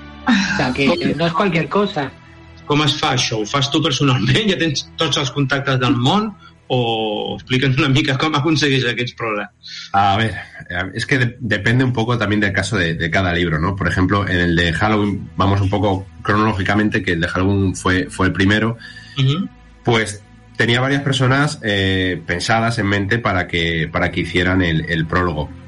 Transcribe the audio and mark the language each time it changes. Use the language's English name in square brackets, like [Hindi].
[Spanish] O sea, que no es cualquier cosa. [Catalan] Com es fa això? Ho fas tu personalment? Ja tens tots els contactes del món? O explica'ns una mica com aconsegueix aquests prólegs. [Spanish] A ver, es que depende un poco también del caso de cada libro, ¿no? Por ejemplo, en el de Halloween, vamos un poco cronológicamente, que el de Halloween fue el primero, pues tenía varias personas pensadas en mente para que hicieran el prólogo.